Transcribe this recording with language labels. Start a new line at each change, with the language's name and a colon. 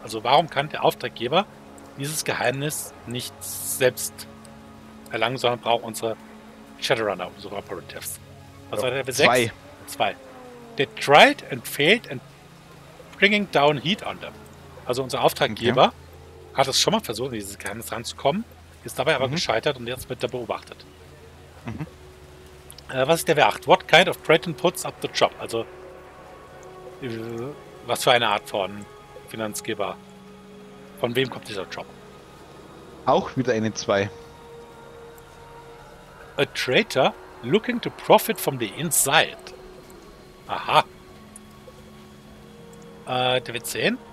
German: Also, warum kann der Auftraggeber dieses Geheimnis nicht selbst erlangen, sondern braucht unsere Shadowrunner, unsere Operatives. Was war der W6? 2.
English: They tried and failed and bringing down heat on them.
German: Also unser Auftraggeber hat es schon mal versucht, in dieses Geheimnis ranzukommen, ist dabei aber gescheitert und jetzt wird er beobachtet. Was ist der W8?
English: What kind of threat puts up the job?
German: Also was für eine Art von Finanzgeber? Von wem kommt dieser Job? Auch wieder eine 2.
English: A traitor looking to profit from the inside. Aha.
German: Der W10.